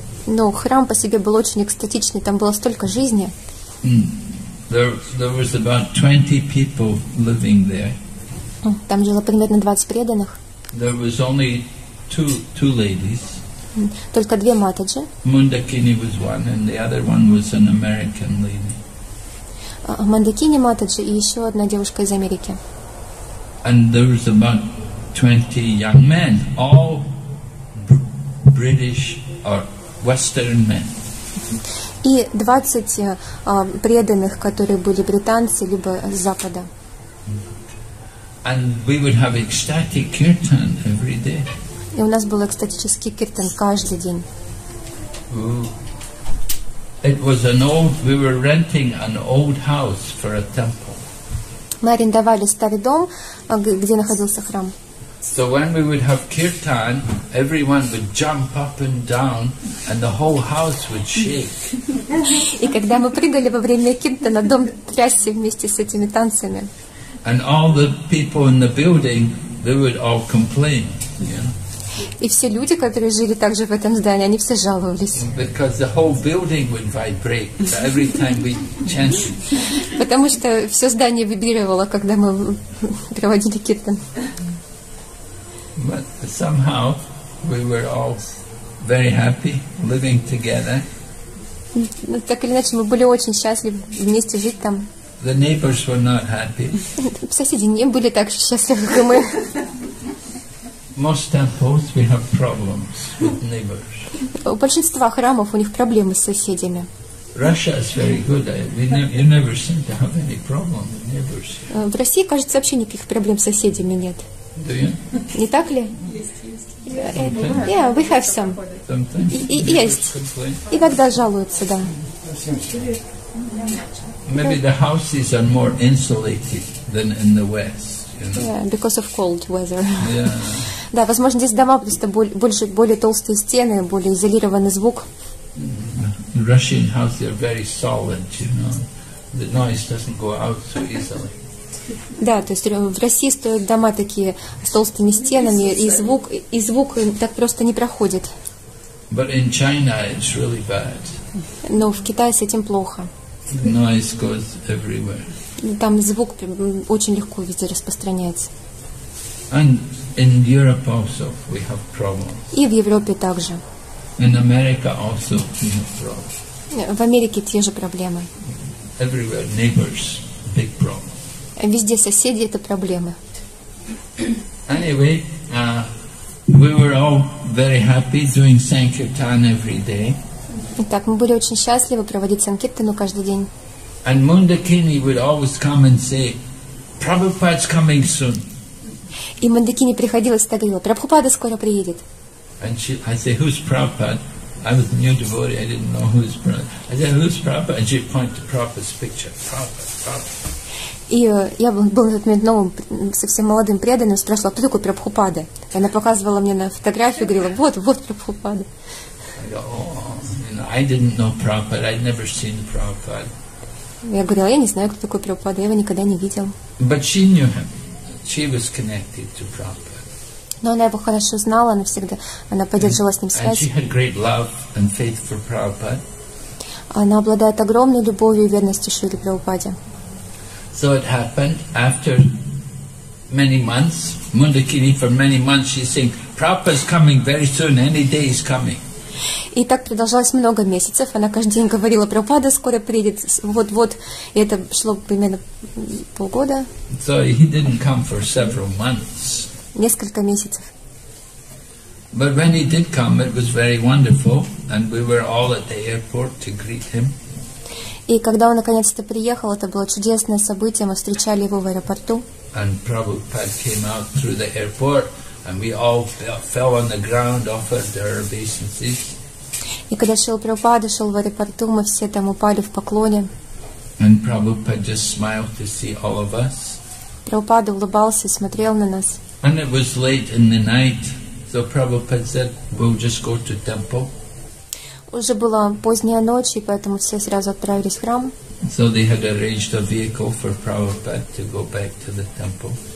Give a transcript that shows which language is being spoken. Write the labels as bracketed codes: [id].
[ru] Но храм по себе был очень экстатичный. Там было столько жизни. [en] There was about 20 people living there. [ru] Там жило примерно 20 преданных. [en] There was only two ladies. [ru] Только две матаджи. [en] Мандакини was one, and the other one was an American lady. [ru] Мандакини матаджи и еще одна девушка из Америки. [en] And there was about 20 young men, all British or Western men. [ru] И 20 преданных, которые были британцы либо с Запада. [en] And we would have ecstatic kirtan every day. [ru] И у нас был экстатический киртан каждый день. [en] It was an old. We were renting an old house for a temple. [ru] Мы арендовали старый дом, где находился храм. [en] So when we would have kirtan, everyone would jump up and down, and the whole house would shake. [ru] И когда мы прыгали во время киртана, дом трясся вместе с этими танцами. [en] And all the people in the building, they would all complain. You know? [ru] И все люди, которые жили также в этом здании, они все жаловались. [en] Because the whole building would vibrate every time we chanted. [ru] Потому что все здание вибрировало, когда мы проводили киртан. [en] But somehow we were all very happy living together. [ru] Так или иначе, мы были очень счастливы вместе жить там. [en] The neighbors were not happy. [ru] Соседи не были так счастливы, как мы. [en] Most temples we have problems with neighbors. [ru] У большинства храмов у них проблемы с соседями. [en] Russia is very good. You never seem to have any problem with neighbors. [ru] В России, кажется, вообще никаких проблем с соседями нет. [en] Do you? [ru] Не так ли? Есть. [en] Yeah, we have some. [ru] Есть. Иногда жалуются, да. [en] Maybe the houses are more insulated than in the West. Yeah, because of cold weather. Yeah. [ru] Да, возможно, здесь дома просто больше, более толстые стены, более изолированный звук. [en] Russian houses are very solid, you know. The noise doesn't go out so easily. [ru] Да, то есть в России стоят дома такие с толстыми стенами, и звук так просто не проходит. [en] But in China it's really bad. [ru] Но в Китае с этим плохо. [en] The noise goes everywhere. [ru] Там звук очень легко везде распространяется. [en] And in Europe also we have problems. [ru] И в Европе также. [en] In America also we have problems. [ru] В Америке те же проблемы. [en] Everywhere neighbors, big problem. [ru] Везде соседи — это проблемы. [en] Anyway, we were all very happy doing Sankirtan every day. [ru] Итак, мы были очень счастливы проводить Санкиртану каждый день. [en] And Mundakini would always come and say, Prabhupada's coming soon. [ru] И Мандакини приходила и говорила, Прабхупада скоро приедет. [en] And she, I say, who's Prabhupada? I was a new devotee, I didn't know who's Prabhupada. I said, who's Prabhupada? And she pointed to Prabhupada's picture. Prabhupada. [ru] И я был на тот момент новым, совсем молодым преданным, спрашивала, кто такой Прабхупада? И она показывала мне на фотографию, говорила, вот Прабхупада. [en] I go, oh, you know, I didn't know Prabhupada, I'd never seen Prabhupada. [ru] Я говорила, я не знаю, кто такой Прабхупада, я его никогда не видел. [en] But she knew him. She was connected to Prabhupada. [ru] Но она его хорошо знала, она всегда, она поддерживала с ним связь. [en] And she had great love and faith for Prabhupada. [ru] Она обладает огромной любовью и верностью Шриле Прабхупаде. [en] So it happened after many months, Mundakini for many months, she's saying, Prabhupada's coming very soon, any day he's coming. [ru] И так продолжалось много месяцев. Она каждый день говорила, Прабхупада скоро приедет, вот-вот. И это шло примерно полгода. [en] So he didn't come for several months. [ru] Несколько месяцев. [en] But when he did come, it was very wonderful, and we were all at the airport to greet him. [ru] И когда он наконец-то приехал, это было чудесное событие. Мы встречали его в аэропорту. [en] And Prabhupada came out through the airport, and we all fell on the ground, offered our obeisances. [ru] И когда Шрила Прабхупада шел в аэропорту, мы все там упали в поклоне. [en] And Prabhupada just smiled to see all of us. [ru] Прабхупада улыбался и смотрел на нас. [en] And it was late in the night, so Prabhupada said, "We'll just go to temple." [ru] Уже была поздняя ночь, и поэтому все сразу отправились в храм. [en] So they had arranged a vehicle for Prabhupada to go back to the temple.